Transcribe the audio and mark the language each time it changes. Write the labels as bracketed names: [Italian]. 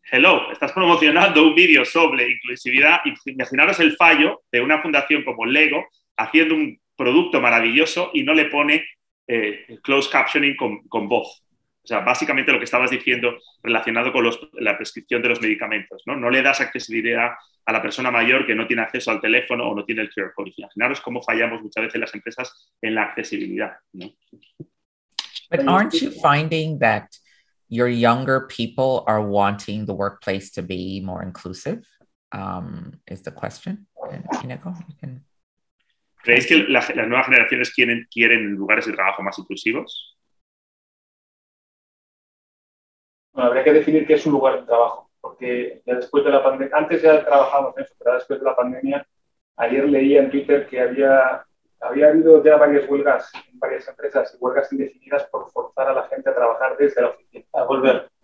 [Spanish] Hello, estás promocionando un vídeo sobre inclusividad. Imaginaros el fallo de una fundación como Lego haciendo un producto maravilloso y no le pone closed captioning con voz. O sea, básicamente lo que estabas diciendo relacionado con la prescripción de los medicamentos, ¿no? No le das accesibilidad a la persona mayor que no tiene acceso al teléfono o no tiene el QR code. Imaginaros cómo fallamos muchas veces las empresas en la accesibilidad, ¿no? [English] But aren't you finding that your younger people are wanting the workplace to be more inclusive? Is the question. Inigo, you can... [Spanish] ¿Creéis que las nuevas generaciones quieren lugares de trabajo más inclusivos? Bueno, habría que definir qué es un lugar de trabajo, porque ya después de la pandemia, antes ya trabajábamos en eso, pero después de la pandemia, ayer leía en Twitter que había habido ya varias huelgas en varias empresas, y huelgas indefinidas por forzar a la gente a trabajar desde la oficina, a volver.